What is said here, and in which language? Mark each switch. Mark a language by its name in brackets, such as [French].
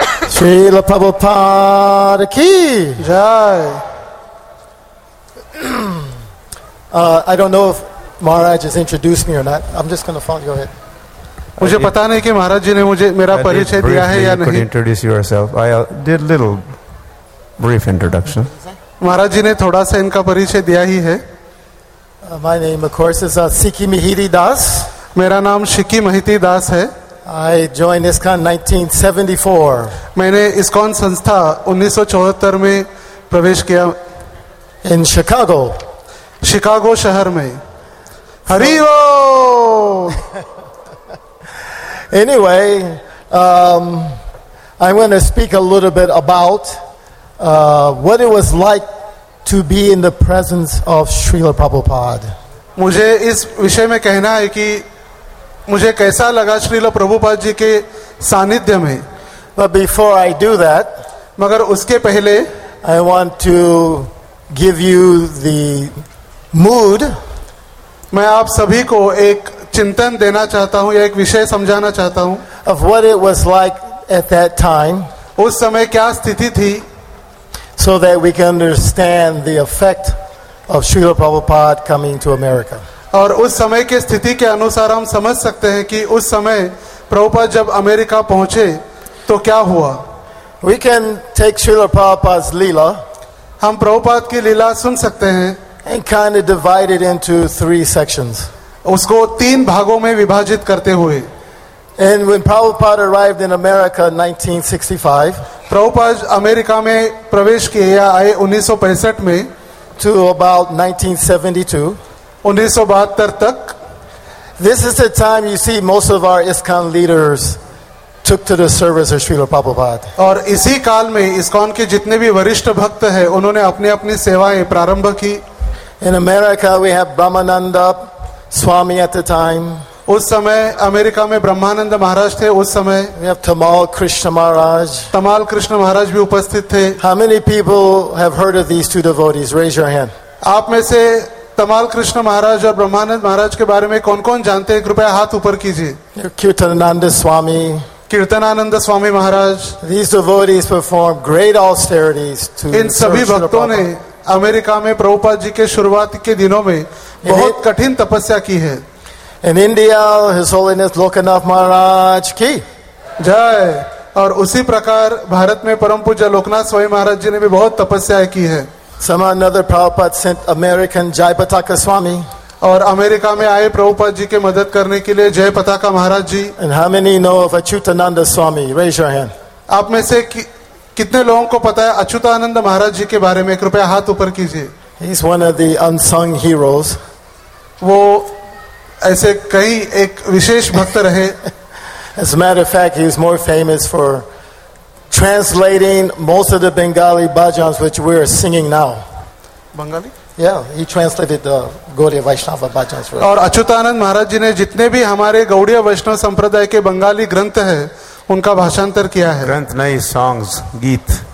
[Hindi] Srila Prabhupada ki jai. [English] I don't know if Maharaj has introduced me or not. I'm just going to follow. Go ahead. [Hindi] मुझे पता नहीं कि महाराज जी ने मुझे मेरा परिचय दिया है या नहीं. [English] You could introduce yourself. I did little brief introduction. [Hindi] महाराज जी ने थोड़ा सा इनका परिचय दिया ही है. [English] My name, of course, is Sikki Mihiri Das. [Hindi] मेरा नाम शिक्की महिति दास है. [English] I joined ISKCON 1974. [Hindi] मैंने ISKCON संस्था 1974 में प्रवेश किया. [English] In Chicago. [Hindi] Chicago शहर में. हरि ओम. [English] Anyway, I'm going to speak a little bit about what it was like to be in the presence of Srila Prabhupada. [Hindi] मुझे इस विषय में कहना है कि मुझे कैसा लगा श्रीला प्रभुपाद जी के सानिध्य में. [English] But before I do that, [Hindi] मगर उसके पहले, [English] I want to give you the mood. [Hindi] मैं आप सभी को एक चिंतन देना चाहता हूँ या एक विषय समझाना चाहता हूँ. [English] Of what it was like at that time, [Hindi] उस समय क्या स्थिति थी. [English] So that we can understand the effect of Srila Prabhupada coming to America. [Hindi] और उस समय के स्थिति के अनुसार हम समझ सकते हैं कि उस समय प्रभुपाद जब अमेरिका पहुंचे तो क्या हुआ. [English] We can take Srila Prabhupada's lila. [Hindi] हम प्रभुपाद की लीला सुन सकते हैं. [English] And kind of divide it into three sections. [Hindi] उसको तीन भागों में विभाजित करते हुए. [English] And when Prabhupada arrived in America 1965, [Hindi] Prabhupada America में प्रवेश किए या आए 1965 में, [English] to about 1972. [Hindi] 1972 तक. [English] This is the time you see most of our ISKCON leaders took to the service of Srila Prabhupada. [Hindi] और इसी काल में ISKCON के जितने भी वरिष्ठ भक्त हैं उन्होंने अपनी अपनी सेवाएं प्रारंभ की. [English] In America we have Brahmananda Swami at the time. [Hindi] उस समय अमेरिका में ब्रह्मानंद महाराज थे. उस समय [English] we have Tamal Krishna Maharaj. [Hindi] तमाल कृष्ण महाराज भी उपस्थित थे. [English] How many people have heard of these two devotees? Raise your hand. [Hindi] आप में से तमाल कृष्ण महाराज और ब्रह्मानंद महाराज के बारे में कौन कौन जानते हैं कृपया हाथ ऊपर कीजिए. कीर्तनानंद स्वामी. Kirtanananda Swami Maharaj. [English] These devotees perform great austerities to. [Hindi] इन सभी भक्तों ने अमेरिका में प्रभुपाद जी के शुरुआत के दिनों में बहुत कठिन तपस्या की है. [English] In India, His Holiness Lokanath Maharaj की [Hindi] जय. और उसी प्रकार भारत में परम पूज्य लोकनाथ स्वामी महाराज जी ने भी बहुत तपस्या की है. [English] Some another Prabhupada sent American Jai Pataka Swami. [Hindi] और अमेरिका में आए प्रभुपाद जी के मदद करने के लिए जय पताका महाराज जी. [English] And how many know of Achyutananda Swami? Raise your hand. [Hindi] आप में से कितने लोगों को पता है अच्युतानंद महाराज जी के बारे में. कृपया हाथ ऊपर कीजिए. [English] He's one of the unsung heroes. [Hindi] वो ऐसे कई एक विशेष भक्त रहे. [English] As a matter of fact, he is more famous for translating most of the Bengali bhajans which we are singing now. Bengali? Yeah, he translated the Gaudiya Vaishnava bhajans for us. [Hindi] और अच्युतानंद महाराज जी ने जितने भी हमारे गौड़िया वैष्णव संप्रदाय के बंगाली ग्रंथ हैं, उनका भाषांतर किया है. ग्रंथ नहीं, songs, गीत.